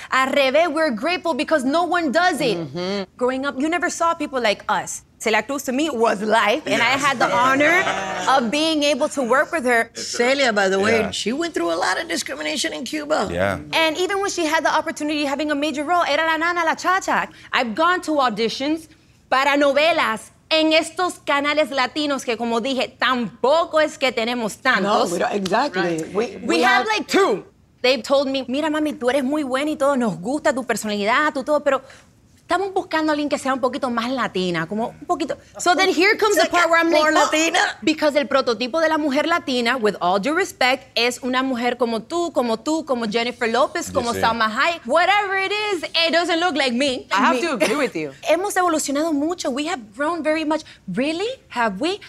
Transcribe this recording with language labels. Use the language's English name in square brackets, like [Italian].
[Spanish] Al revés, [English] we're grateful because no one does it. Mm-hmm. Growing up, you never saw people like us. Celia Cruz, to me, was life, and I had the honor of being able to work with her. Celia, by the way, she went through a lot of discrimination in Cuba. Yeah. And even when she had the opportunity having a major role, [Spanish] era la nana, la cha-cha. [English] I've gone to auditions [Spanish] para novelas en estos canales latinos que, como dije, tampoco es que tenemos tantos. [English] No, exactly. Right. We have like two. They've told me, [Spanish] mira, mami, tú eres muy buena y todo, nos gusta tu personalidad, tu todo, pero estamos buscando a alguien que sea un poquito más latina, como un poquito. [English] So then here comes the part where I'm more latina. [Spanish] Because el prototipo de la mujer latina, [English] with all due respect, [Spanish] es una mujer como tú, como tú, como Jennifer Lopez, como Salma Hayek. [English] Whatever it is, it doesn't look like me. I have to agree with you. [Spanish] Hemos evolucionado mucho. [English] We have grown very much. Really? Have we?